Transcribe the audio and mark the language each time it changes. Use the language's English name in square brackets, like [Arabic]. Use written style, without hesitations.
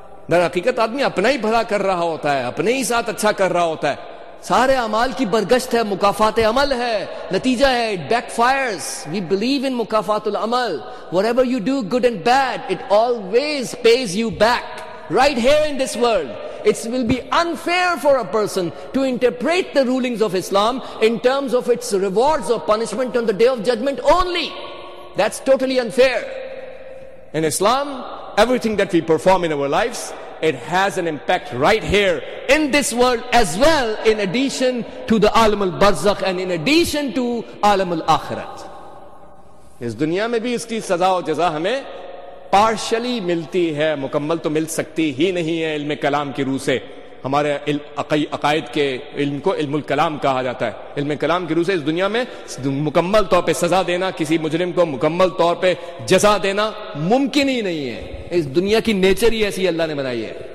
[Urdu] در حقیقت آدمی اپنا ہی بھلا کر رہا ہوتا ہے، اپنے ہی ساتھ اچھا کر رہا ہوتا ہے، سارے اعمال کی برگشت ہے مکافات عمل ہے، نتیجہ ہے [English] It backfires, we believe in مکافات العمل، whatever you do good and bad it always pays you back right here in this world. It will be unfair for a person to interpret the rulings of Islam in terms of its rewards or punishment on the day of judgment only. That's totally unfair. In Islam, everything that we perform in our lives, it has an impact right here in this world as well, in addition to the alam al barzakh and in addition to alam al akhirat. [Urdu] Is duniya mein bhi iski saza aur jaza hame partially ملتی ہے، مکمل تو مل سکتی ہی نہیں ہے علم کلام کی روح سے، ہمارے عقائد کے علم کو علم الکلام کہا جاتا ہے، علم کلام کی روح سے اس دنیا میں مکمل طور پہ سزا دینا، کسی مجرم کو مکمل طور پہ جزا دینا ممکن ہی نہیں ہے، اس دنیا کی نیچر ہی ایسی اللہ نے بنائی ہے۔